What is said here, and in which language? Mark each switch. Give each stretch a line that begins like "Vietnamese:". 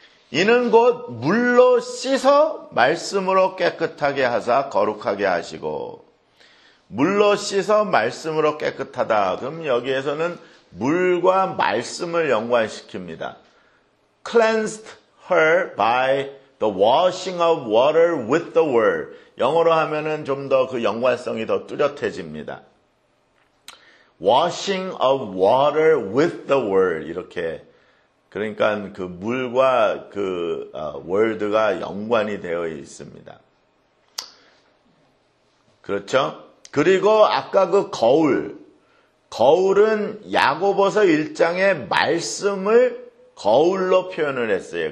Korean: 이는 곧 물로 씻어 말씀으로 깨끗하게 하사 거룩하게 하시고. 물로 씻어 말씀으로 깨끗하다. 그럼 여기에서는 물과 말씀을 연관시킵니다.
English: Cleansed her by the washing of water with the word.
Korean: 영어로 하면은 좀 더 그 연관성이 더 뚜렷해집니다.
English: Washing of water with the word.
Korean: 이렇게. 그러니까 그 물과 그 word가 연관이 되어 있습니다. 그렇죠? 그리고 아까 그 거울. 거울은 야고보서 1장의 말씀을 거울로 표현을 했어요.